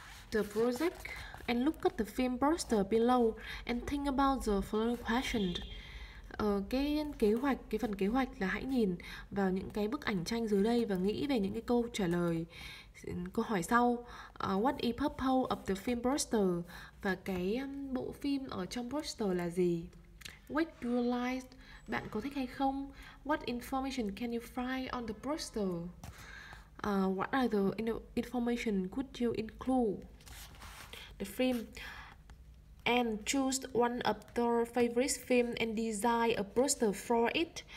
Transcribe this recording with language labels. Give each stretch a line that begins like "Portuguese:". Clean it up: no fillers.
English: the project and look at the film poster below and think about the following question.
Vietnamese: Cái phần kế hoạch là hãy nhìn vào những cái bức ảnh tranh dưới đây và nghĩ về những cái câu trả lời câu hỏi sau.
English: What is purpose of the film poster?
Vietnamese: Và cái bộ phim ở trong poster là gì?
English: What do you like?
Vietnamese: Bạn có thích hay không?
English: What information can you find on the poster? What are the information could you include? The film. And choose one of your favorite film and design a poster for it.